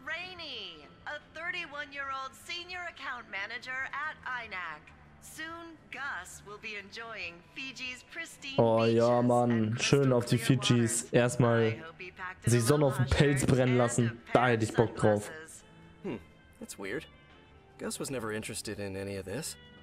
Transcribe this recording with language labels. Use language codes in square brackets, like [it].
[en] Rainey, a 31-year-old senior account manager at INAC. Soon Gus will be enjoying Fiji's pristine [de] beaches. Oh ja, Mann, schön auf die Fijis. Erstmal die Sonne auf dem Pelz brennen lassen. Da hätte ich Bock drauf. [en] That's weird. Gus was never interested in any of this.